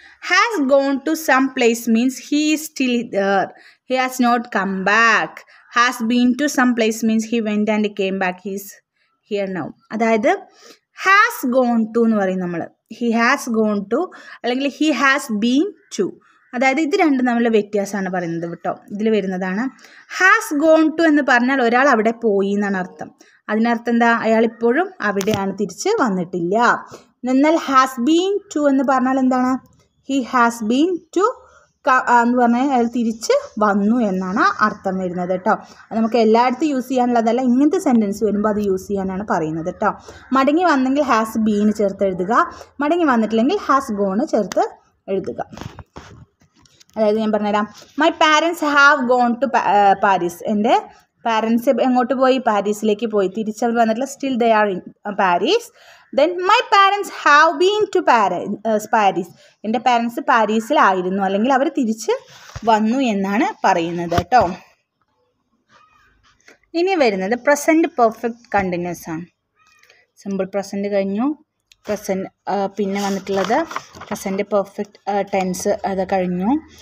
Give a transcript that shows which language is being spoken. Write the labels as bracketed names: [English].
[English] Has gone to some place means he is still there. He has not come back. Has been to some place means he went and came back. He is here now. [Malayalam] അതായത് has gone to എന്ന് പറയും നമ്മൾ. [English] He has gone to അല്ലെങ്കിൽ he has been to. [Malayalam] അതായത് ഇത് രണ്ടും തമ്മിലുള്ള വ്യത്യാസമാണ് പറയുന്നത് കേട്ടോ. ഇതിൽ വരുന്നതാണ് has gone to എന്ന് പറഞ്ഞാൽ ഒരാൾ അവിടെ പോയി എന്നാണ് അർത്ഥം. അതിനർത്ഥം എന്താ, അയാൾ ഇപ്പോഴും അവിടെയാണ്, തിരിച്ച് വന്നിട്ടില്ല. എന്നാൽ has been to എന്ന് പറഞ്ഞാൽ എന്താണ്, [English] he has been to [Malayalam] എന്ന് പറഞ്ഞാൽ അയാൾ തിരിച്ച് വന്നു എന്നാണ് അർത്ഥം വരുന്നത് കേട്ടോ. നമുക്ക് എല്ലായിടത്തും യൂസ് ചെയ്യാനുള്ളതല്ല, ഇങ്ങനത്തെ സെൻറ്റൻസ് വരുമ്പോൾ അത് യൂസ് ചെയ്യാനാണ് പറയുന്നത് കേട്ടോ. മടങ്ങി വന്നെങ്കിൽ ഹാസ് ബീന് ചേർത്ത് എഴുതുക, മടങ്ങി വന്നിട്ടില്ലെങ്കിൽ ഹാസ് ഗോണ് ചേർത്ത് എഴുതുക. അതായത് ഞാൻ പറഞ്ഞുതരാം, [English] my parents have gone to Paris, [Malayalam] എൻ്റെ പാരൻസ് എങ്ങോട്ട് പോയി, പാരീസിലേക്ക് പോയി, തിരിച്ചവർ വന്നിട്ടില്ല, [English] Still they are in Paris. Then my parents have been to Paris. [Malayalam] എൻ്റെ പാരൻസ് പാരീസിലായിരുന്നു, അല്ലെങ്കിൽ അവർ തിരിച്ച് വന്നു എന്നാണ് പറയുന്നത് കേട്ടോ. ഇനി വരുന്നത് പ്രസൻറ്റ് പെർഫെക്റ്റ് കണ്ടിന്യൂസ് ആണ്. സിമ്പിൾ പ്രസൻറ്റ് കഴിഞ്ഞു, പ്രസൻറ്റ് പിന്നെ വന്നിട്ടുള്ളത് പ്രസൻറ്റ് പെർഫെക്റ്റ് ടെൻസ് അത് കഴിഞ്ഞു.